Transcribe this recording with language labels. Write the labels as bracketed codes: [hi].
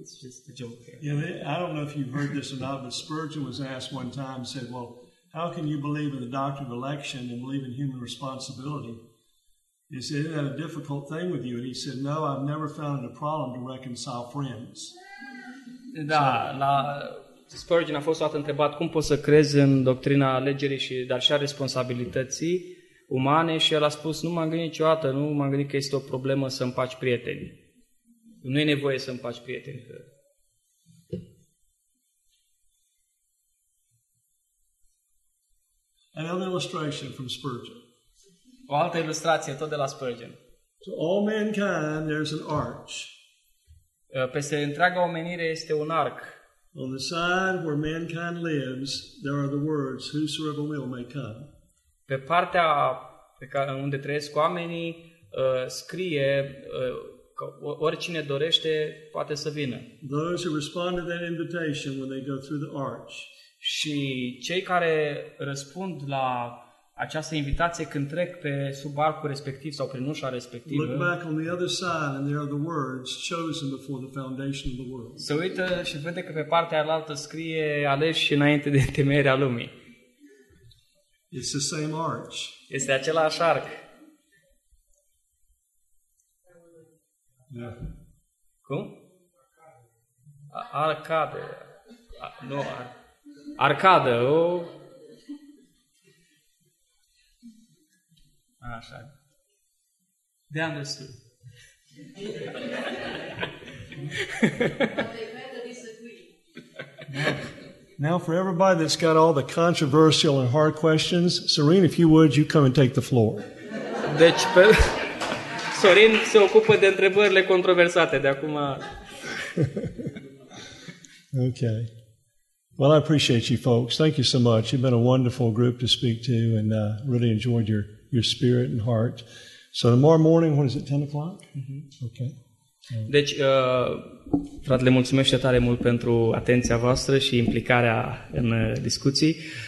[en] It's just a joke. Yeah, I don't know if you've heard this or not, but Spurgeon was asked one time, said, well, how can you believe in the doctrine of election and believe in human responsibility? He said, isn't that a difficult thing with you? And he said, no, I've never found a problem to reconcile friends. [ro] Da, la Spurgeon a fost o dată întrebat, cum poți să crezi în doctrina alegerii, dar și a responsabilității umane? Și el a spus, nu m-am gândit niciodată, nu m-am gândit că este o problemă să împaci prietenii. Nu e nevoie să împaci prietenii. [en] Another illustration from Spurgeon. [ro] O altă ilustrație, tot de la Spurgeon. [en] To all mankind, there's an arch. [ro] Peste întreaga omenire este un arc. [en] On the side where mankind lives, there are the words, whosoever will may come. [ro] Pe partea unde trăiesc oamenii, scrie că oricine dorește poate să vină. [en] Those who respond to that invitation when they go through the arch. [ro] Și cei care răspund la această invitație când trec pe sub arcul respectiv sau prin ușa respectivă. [en] Look back on the other side and there are the words chosen before the foundation of the world. [ro] Se uită și vede că pe partea alaltă scrie aleși înainte de temerea lumii. [en] It's the same arch. [ro] Este același arc. [en] Yeah. [ro] Cum? Arcade. Nu, arcade. Așa. De understood. [en] But they disagree. Now for everybody that's got all the controversial and hard questions, Serene, if you would, you come and take the floor. [ro] Deci, pe... Sorin se ocupă de întrebările controversate de acum. [en] Okay. Well, I appreciate you folks. Thank you so much. You've been a wonderful group to speak to and really enjoyed your spirit and heart. So tomorrow morning, what is it, 10 o'clock? Mm-hmm. Okay. [ro] Deci, fratele, mulțumesc tare mult pentru atenția voastră și implicarea în discuții.